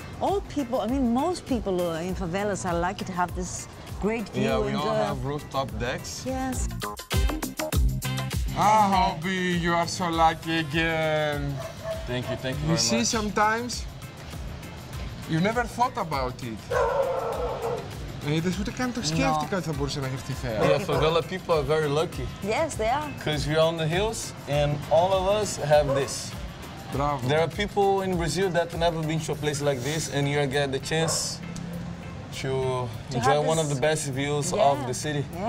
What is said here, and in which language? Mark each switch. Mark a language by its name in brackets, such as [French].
[English] All people, I mean, most people in favelas are lucky to have this great view. Yeah, we all have rooftop decks. Yes. Ah, Obi, you are so lucky again. Thank you, thank you you very much. You see, sometimes you never thought about it. [Greek] Είδες ούτε καν το σκέφτηκα ότι θα μπορούσε να γευτεί θέα. [English] Yeah, favela people are very lucky. Yes, they are. Because we are on the hills and all of us have this. Bravo. There are people in Brazil that have never been to a place like this, and you get the chance to enjoy one of the best views of the city.